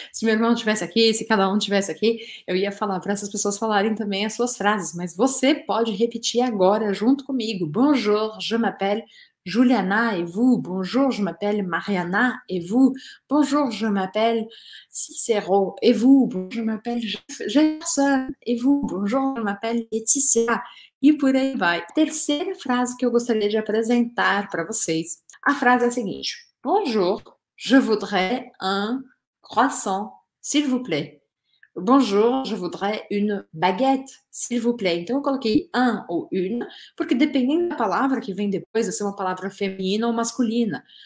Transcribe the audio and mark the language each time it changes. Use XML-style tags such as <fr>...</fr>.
<pt>Se meu irmão estivesse aqui, se cada um estivesse aqui, eu ia falar para essas pessoas falarem também as suas frases, mas você pode repetir agora junto comigo.</pt> <fr>Bonjour, je m'appelle Juliana, et vous? Bonjour, je m'appelle Mariana, et vous? Bonjour, je m'appelle Cicero, et vous? Bonjour, je m'appelle Jefferson, et vous? Bonjour, je m'appelle Laetitia.</fr> <pt>E por aí vai. Terceira frase que eu gostaria de apresentar para vocês. A frase é a seguinte:</pt> <fr>Bonjour, je voudrais un croissant, s'il vous plaît. Bonjour, je voudrais une baguette, s'il vous plaît.</fr> <pt>Então, eu coloquei un ou une, porque dependendo da palavra que vem depois, vai ser uma palavra feminina ou masculina.</pt>